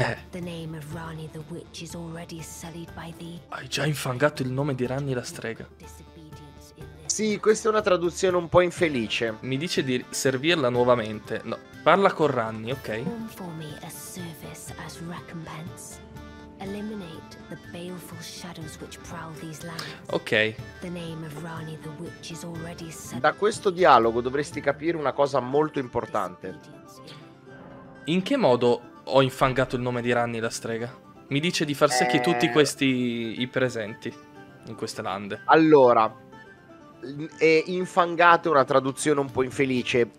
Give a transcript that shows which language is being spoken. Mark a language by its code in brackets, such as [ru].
[en] The name of Rani the Witch is already sullied by thee. [it] Hai già infangato il nome di Rani la strega. Sì, questa è una traduzione un po' infelice. Mi dice di servirla nuovamente. No, parla con Rani, ok? [en] For me a service as recompense. Eliminate the baleful shadows which prowl these lands. Ok. The name of Rani the Witch is already sullied. [it] Da questo dialogo dovresti capire una cosa molto importante. In che modo ho infangato il nome di Rani la strega? Mi dice di far secchi tutti questi i presenti in queste lande. Allora, è infangato una traduzione un po' infelice.